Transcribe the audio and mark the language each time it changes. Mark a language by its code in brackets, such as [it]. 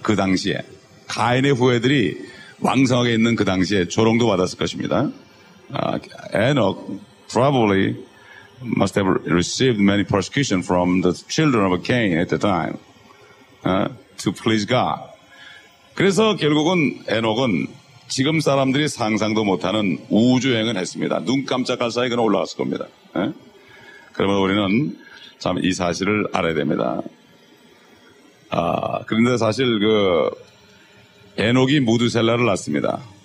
[ko] 그 당시에 가인의 후예들이 왕성하게 있는 그 당시에 조롱도 받았을 것입니다. [en] Enoch probably must have received many persecution from the children of Cain at the time to please God. [ko] 그래서 결국은 에녹은 지금 사람들이 상상도 못하는 우주여행을 했습니다. 눈 깜짝할 사이에 그는 올라갔을 겁니다. 그러면 우리는 참 이 사실을 알아야 됩니다. 그런데 사실 그 에녹이 무드셀라를 낳습니다.